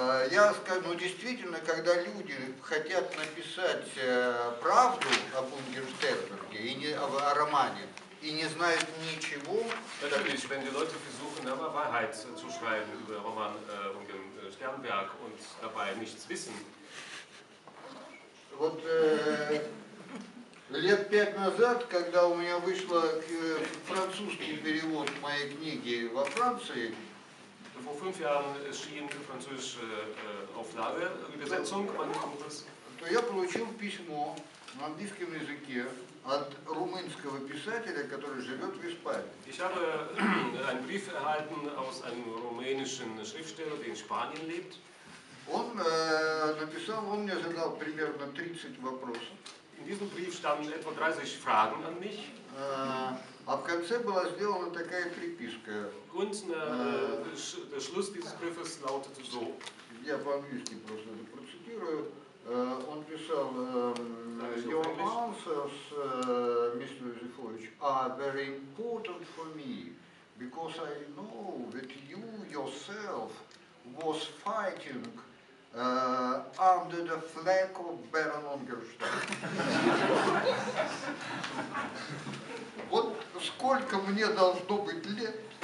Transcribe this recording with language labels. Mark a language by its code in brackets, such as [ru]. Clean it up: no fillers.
[ru] Я скажу, ну действительно, когда люди хотят написать правду об Унгерн-Штернберге и не о романе и не знают ничего. [de] Natürlich, wenn die Leute versuchen, aber Wahrheit zu schreiben über Roman Unger-Sternberg und dabei nichts wissen. [ru] Вот. Лет пять назад, когда у меня вышел французский перевод моей книги во Франции, [de] vor fünf Jahren erschien die französische Auflage, Übersetzung meines Buches, [ru] то я получил письмо на английском языке от румынского писателя, который живет в Испании. [de] Ich habe einen Brief erhalten aus einem rumänischen Schriftsteller, der in Spanien lebt. [ru] Он написал, он мне задал примерно 30 вопросов. [de] In diesem Brief standen etwa 30 Fragen an mich. [ru] Am конце была сделана такая приписка. [de] Und der Schluss dieses Briefes lautete so. [ru] Я по-английски просто процитирую. Он писал, [en] your answers, Mr. Zifovich, are very important for me, because I know that you yourself was fighting under the flag of Baron Ungerstein. [ru] Вот сколько мне должно быть лет?